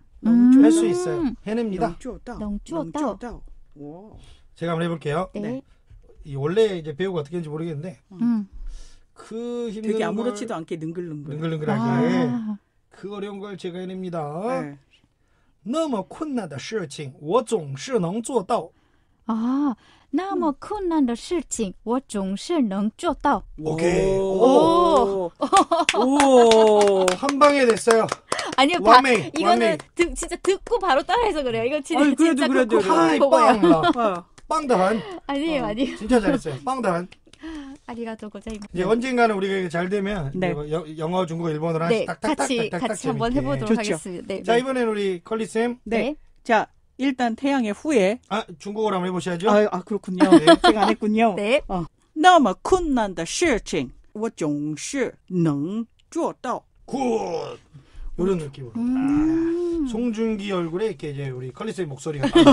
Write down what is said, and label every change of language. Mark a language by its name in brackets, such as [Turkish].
[Korean] 할 수 있어요. 해냅니다. [Chinese] 能做到. [Korean] 제가 한번 해볼게요. 네. 이 원래 이제 배우가 어떻게 했는지 모르겠는데 그 힘든 되게 아무렇지도 않게 능글능글 능글능글하게 아. 그 어려운 걸 제가 해냅니다. [Chinese] 那么困难的事情我总是能做到. 아, 那么困难的事情我总是能做到. [Korean] 오케이. 오. 오. 오. 한 방에 됐어요. 아니요, 와메, 바, 이거는 드, 진짜 듣고 바로 따라해서 그래요. 이거 진, 아니, 그래도, 진짜 듣고 바로 먹어요. 빵단. 아니에요, 어, 아니에요. 진짜 잘했어요. 빵단. [Japanese] 아리가토 고자이마스. [Korean] 이제 언젠가는 우리가 잘 되면 네. 영어, 중국어, 일본어 하나씩 같이 한번 해보도록 좋죠. 하겠습니다. 네, 자, 네. 이번엔 우리 컬리쌤. 네. 네. 자, 일단 태양의 후예. 아, 중국어로 한번 해보셔야죠. 아, 그렇군요. 네. 제가 안 했군요. 네. [Chinese] 那么困难的事情我总是能做到. [Korean] 굿. 이런 느낌으로. 송중기 얼굴에 이렇게 이제 우리 컬리스의 목소리가.